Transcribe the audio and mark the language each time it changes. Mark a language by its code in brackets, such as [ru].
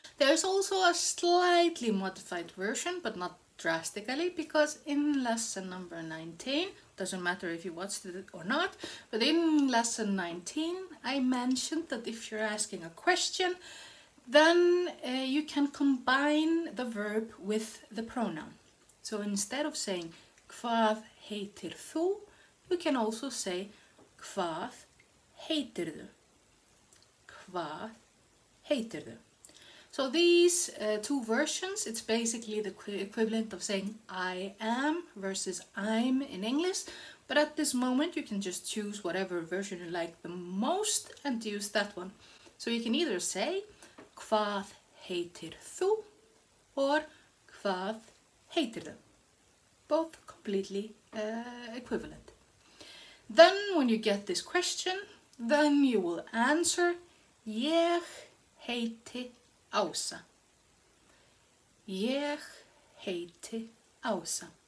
[en] There's also a slightly modified version, but not drastically, because in lesson number 19, doesn't matter if you watched it or not, but in lesson 19, I mentioned that if you're asking a question, then you can combine the verb with the pronoun. So instead of saying hvað heitir þú, you can also say hvað heitirðu. [is] Hvað heitirðu. [en] So these two versions, it's basically the equivalent of saying I am versus I'm in English. But at this moment, you can just choose whatever version you like the most and use that one. So you can either say hvað heitir þú or hvað heitirðu. Both completely equivalent. Then when you get this question, then you will answer ég heiti Ása. [is] Ég heiti Ása.